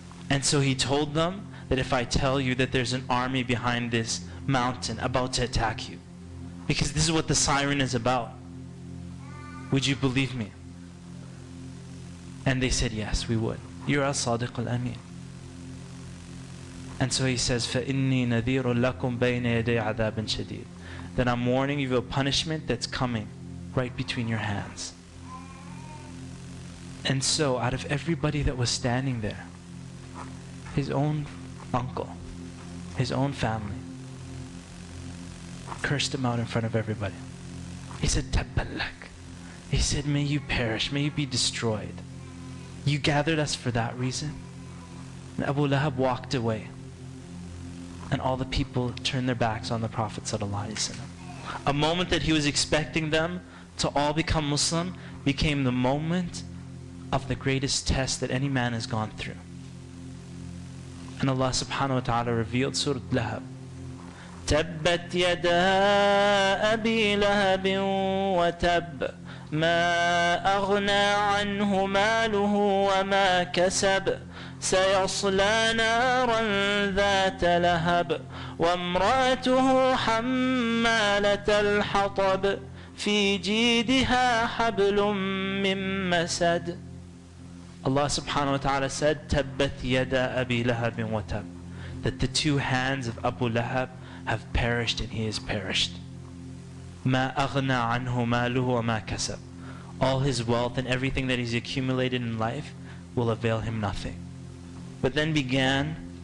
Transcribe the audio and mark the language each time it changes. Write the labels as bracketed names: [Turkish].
[English] And so he told them that if I tell you that there's an army behind this mountain about to attack you, because this is what the siren is about, would you believe me? And they said, "Yes, we would. You're al-Sadiq al-Amin." And so he says, [Arabic] "فَإِنِّي نَذِيرٌ لَكُمْ بَيْنَ يَدَيْ عَذَابٍ شَدِيدٍ." [English] That I'm warning you of a punishment that's coming right between your hands. And so out of everybody that was standing there, his own uncle, his own family, cursed him out in front of everybody. He said, "Tabalak." He said, "May you perish, may you be destroyed. You gathered us for that reason." And Abu Lahab walked away. And all the people turned their backs on the Prophet sallallahu alaihi wasallam. A moment that he was expecting them to all become Muslim became the moment of the greatest test that any man has gone through. And Allah subhanahu wa ta'ala revealed Surah Lahab. [Arabic] تَبَّتْ يَدَا أَبِي لَهَبٍ وَتَبْ مَا أَغْنَى عَنْهُ مَالُهُ وَمَا كَسَبْ سَيَصْلَى نَارًا ذَاتَ لَهَبٍ وامرأته حمالة الحطب في جيدها حبل من مسد. [English] Allah subhanahu wa ta'ala said, [Arabic] تَبَّتْ يَدَا أَبِي لَهَبٍ وَتَبْ. [English] That the two hands of Abu Lahab have perished and he has perished. [Arabic] مَا أَغْنَى عَنْهُ مَالُهُ وَمَا كَسَبْ. [English] All his wealth and everything that he's accumulated in life will avail him nothing. But then began